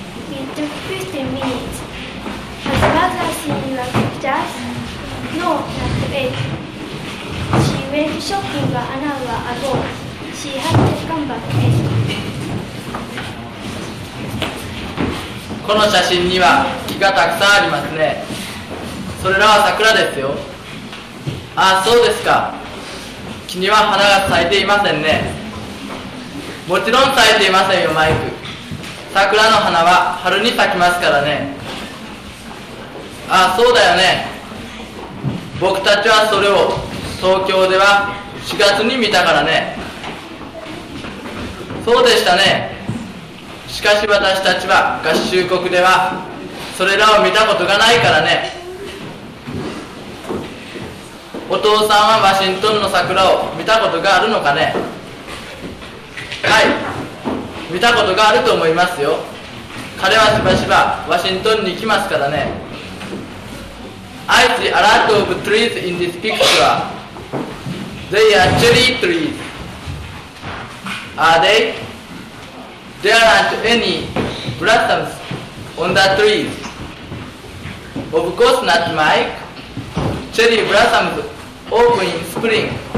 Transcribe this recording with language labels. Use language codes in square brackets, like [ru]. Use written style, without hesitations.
[en] It took 15 minutes. Has mother seen your pictures? No, not yet. She went shopping an hour ago. She had to come back then. [ja] この写真には木がたくさんありますね。それらは桜ですよ。あ、そうですか。木には花が咲いていませんね。もちろん咲いていませんよ、マイク。桜の花は春に咲きますからね。あ、そうだよね。僕たちはそれを東京では4月に見たからね。そうでしたね。しかし私たちは合衆国ではそれらを見たことがないからね。お父さんはワシントンの桜を見たことがあるのかね？はい、見たことがあると思いますよ。彼はしばしばワシントンに来ますからね。 [en] I see a lot of trees in this picture. They are cherry trees. Are they? There aren't any blossoms on the trees. Of course not, Mike. Cherry blossoms open in spring.